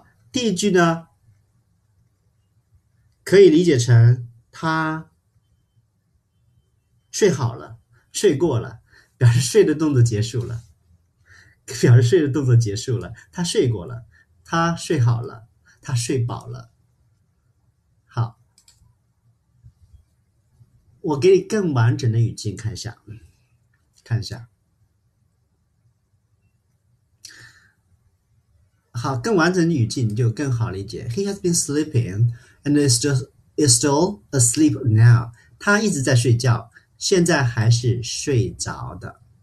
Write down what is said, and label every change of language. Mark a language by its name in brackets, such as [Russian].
[Chinese] 第一句呢，可以理解成他睡好了，睡过了，表示睡的动作结束了，表示睡的动作结束了，他睡过了，他睡好了，他睡饱了。我给你更完整的语境看一下，看一下。好，更完整的语境就更好理解。 [English] He has been sleeping and is still asleep now. [Chinese] 他一直在睡觉，现在还是睡着的。